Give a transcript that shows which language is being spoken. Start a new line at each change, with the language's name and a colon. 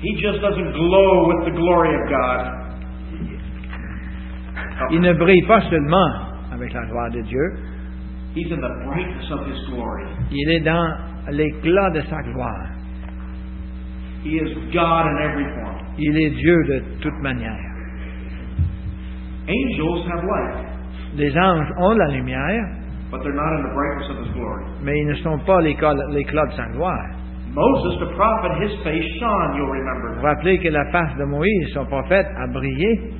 English: He just doesn't glow with the glory of God.
French: Il ne brille pas seulement avec la gloire de Dieu.
English: He's in the brightness of his glory.
French: Il est dans l'éclat de sa gloire.
English: He is God in every form.
French: Il est Dieu de toute manière.
English: Angels have light.
French: Les anges ont la lumière.
English: But they're not in the brightness of his glory.
French: Mais ils ne sont pas l'éclat de sa gloire.
English: Moses, the prophet, his face shone, you'll remember.
French: Vous rappelez que la face de Moïse, son prophète, a brillé.